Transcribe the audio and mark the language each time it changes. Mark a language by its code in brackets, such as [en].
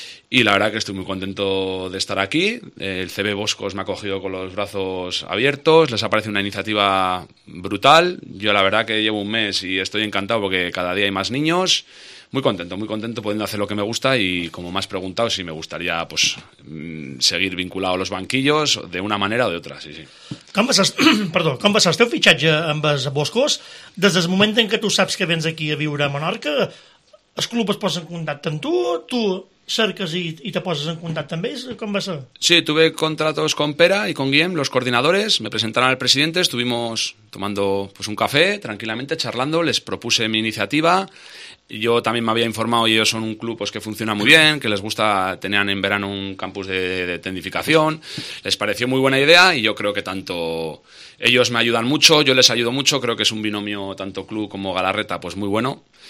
[es] Y la verdad que estoy muy contento de estar aquí. El CB Boscos me ha cogido con los brazos abiertos. Les ha parecido una iniciativa brutal. Yo la verdad que llevo un mes y estoy encantado porque cada día hay más niños. Muy contento pudiendo hacer lo que me gusta y como me has preguntado si me gustaría pues seguir vinculado a los banquillos de una manera o de otra, sí. [ca] Com va ser el teu fitxatge amb els Boscos? Des del moment en què tu saps que vens aquí a viure a Menorca, el club es posa en contacte amb tu, tu cerques i te poses en contacte amb ells, com va ser? [es] Sí, tuve contratos con Pera y con Guillem, los coordinadores, me presentaron al presidente, estuvimos tomando pues un café, tranquilamente, charlando, les propuse mi iniciativa. Yo también me había informado y ellos son un club pues que funciona muy bien, que les gusta, tenían en verano un campus de tecnificación, les pareció muy buena idea y yo creo que tanto ellos me ayudan mucho, yo les ayudo mucho, creo que es un binomio tanto club como Galarreta pues muy bueno.